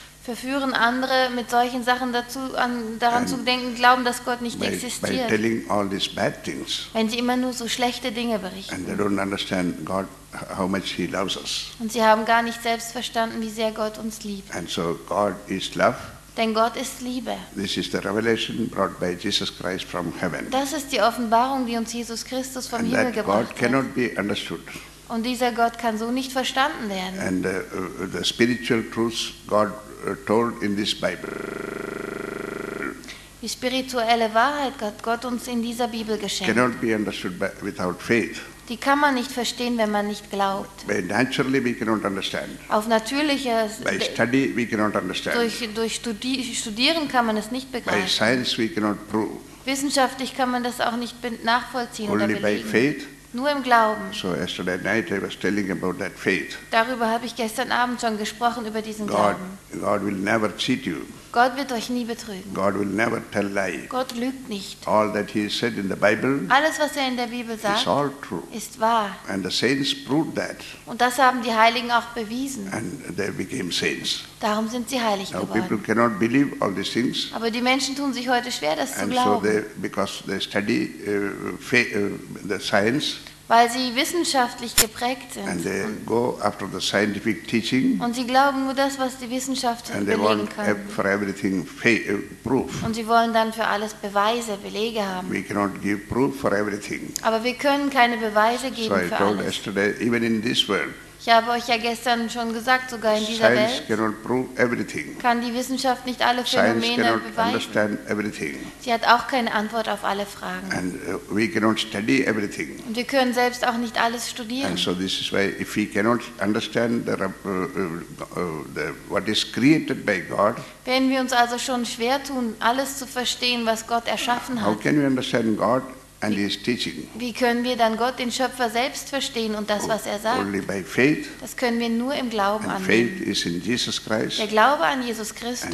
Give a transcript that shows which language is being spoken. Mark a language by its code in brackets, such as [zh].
[de] Verführen andere mit solchen Sachen dazu, daran zu denken, glauben, dass Gott nicht existiert. [en] By telling all these bad things. [de] Wenn sie immer nur so schlechte Dinge berichten. [en] And they don't understand God, how much he loves us. [de] Und sie haben gar nicht selbst verstanden, wie sehr Gott uns liebt. [en] And so God is love. [de] Denn Gott ist Liebe. [en] This is the revelation brought by Jesus Christ from heaven. [de] Das ist die Offenbarung, die uns Jesus Christus vom Himmel gebracht hat. [en] God cannot be understood. [de] Und dieser Gott kann so nicht verstanden werden. [en] And the spiritual truths God told in this Bible. [de] Die spirituelle Wahrheit hat Gott uns in dieser Bibel geschenkt. [en] Cannot be understood without faith. [de] Die kann man nicht verstehen, wenn man nicht glaubt. [en] Naturally we cannot understand. [de] Auf natürliche [en] By study we cannot understand. [de] Durch Studieren kann man es nicht begreifen. [en] By science we cannot prove. [de] Wissenschaftlich kann man das auch nicht nachvollziehen [en] Only [de] oder belegen. [en] By faith. [de] Nur im Glauben. [en] So yesterday night I was telling about that faith. [de] Darüber habe ich gestern Abend schon gesprochen, über diesen Glauben. [en] God will never cheat you. [de] Gott wird euch nie betrügen. [en] God will never tell lie. [de] Gott lügt nicht. [en] All that he said in the Bible, [de] alles, was er in der Bibel sagt, [en] is all true. [de] Ist wahr. [en] And the saints proved that. [de] Und das haben die Heiligen auch bewiesen. [en] And they became saints. [de] Darum sind sie heilig [en] Now [de] geworden. [en] People cannot believe all these things. [de] Aber die Menschen tun sich heute schwer, das [en] And [de] zu glauben. [en] So they, because they study, the science, [de] weil sie wissenschaftlich geprägt sind. [en] And they go after the scientific teaching. [de] Und sie glauben nur das, was die Wissenschaft [en] And [de] belegen [en] they want [de] kann. [en] For everything proof. [de] Und sie wollen dann für alles Beweise, Belege haben. [en] We cannot give proof for everything. [de] Aber wir können keine Beweise geben [en] so [de] für [en] I told [de] alles. [en] Yesterday, even in this world, [de] ich habe euch ja gestern schon gesagt, sogar in dieser [en] Science [de] Welt [en] cannot prove everything. [de] Kann die Wissenschaft nicht alle Phänomene [en] Science cannot [de] beweisen. [en] Understand everything. [de] Sie hat auch keine Antwort auf alle Fragen. [en] And we cannot study everything. [de] Und wir können selbst auch nicht alles studieren. [en] And so this is why if we cannot understand what is created by God, [de] wenn wir uns also schon schwer tun, alles zu verstehen, was Gott erschaffen hat, [en] how can we understand God? And his teaching. [de] Wie können wir dann Gott, den Schöpfer, selbst verstehen und das, was er sagt? [en] Only by faith. [de] Das können wir nur im Glauben [en] and [de] annehmen. [en] Faith is in Jesus Christ. [de] Der Glaube an Jesus Christus.